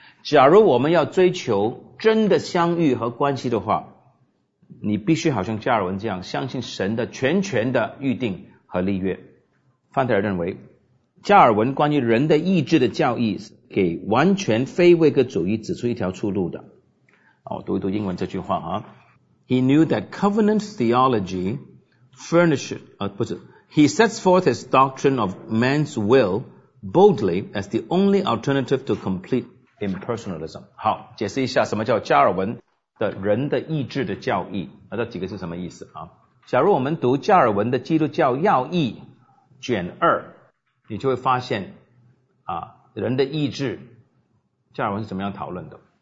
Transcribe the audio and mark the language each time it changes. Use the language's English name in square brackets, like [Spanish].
[Chinese] 假如我们要追求真的相遇和关系的话，你必须好像加尔文这样相信神的全权的预定和立约。范德尔认为加尔文关于人的意志的教义给完全非位格主义指出一条出路的。我读一读英文这句话啊。 [English] He knew that covenant theology furnished, He sets forth his doctrine of man's will boldly as the only alternative to complete impersonalism. [Chinese] 好，解释一下什么叫加尔文的人的意志的教义，这几个是什么意思啊？假如我们读加尔文的基督教要义卷二，你就会发现啊，人的意志，加尔文是怎么样讨论的？